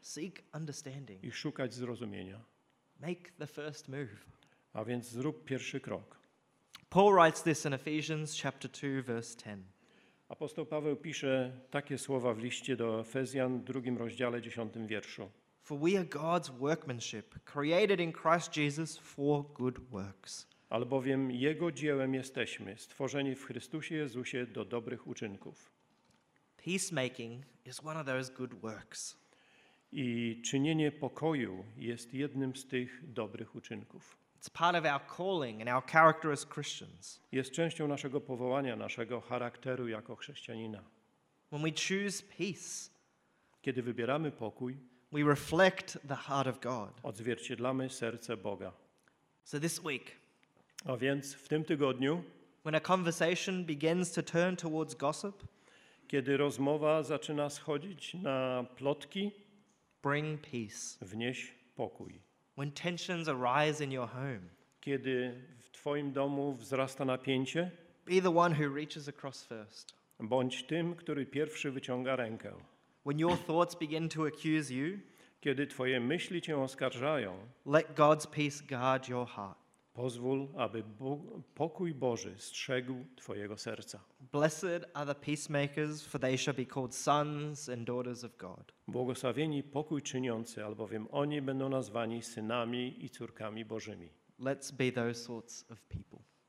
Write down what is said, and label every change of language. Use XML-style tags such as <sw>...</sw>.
<en>Seek understanding.</en> <pl>I szukać zrozumienia.</pl> <en>Make the first move.</en> <pl>A więc zrób pierwszy krok.</pl> <en>Paul writes this in Ephesians chapter 2, verse 10.</en> <pl>Apostoł Paweł pisze takie słowa w liście do Efezjan, 2 rozdziale, 10 wierszu.</pl> <en>For we are God's workmanship, created in Christ Jesus for good works.</en> <pl>Albowiem Jego dziełem jesteśmy, stworzeni w Chrystusie Jezusie do dobrych uczynków.</pl> <en>Peacemaking is one of those good works.</en> <pl>I czynienie pokoju jest jednym z tych dobrych uczynków.</pl> <en>It's part of our calling and our character as Christians.</en> <pl>Jest częścią naszego powołania, naszego charakteru jako chrześcijanina.</pl> <en>When we choose peace,</en> <pl>kiedy wybieramy pokój,</pl> <en>we reflect the heart of God.</en> <pl>Odzwierciedlamy serce Boga.</pl> <en>So this week,</en> <pl>a więc w tym tygodniu,</pl> <en>when a conversation begins to turn towards gossip,</en> <pl>kiedy rozmowa zaczyna schodzić na plotki,</pl> <en>bring peace.</en> <pl>Wnieś pokój.</pl> <en>When tensions arise in your home,</en> <pl>kiedy w twoim domu wzrasta napięcie,</pl> <en>be the one who reaches across first.</en> <pl>Bądź tym, który pierwszy wyciąga rękę.</pl> <en>When your thoughts begin to accuse you,</en> <pl>kiedy twoje myśli cię oskarżają,</pl> <en>let God's peace guard your heart.</en> <pl>Pozwól, aby pokój Boży strzegł twojego serca.</pl> <en>Blessed are the peacemakers, for they shall be called sons and daughters of God.</en> <pl>Błogosławieni pokój czyniący, albowiem oni będą nazwani synami i córkami Bożymi.</pl> <en>Let's be those sorts of people.</en>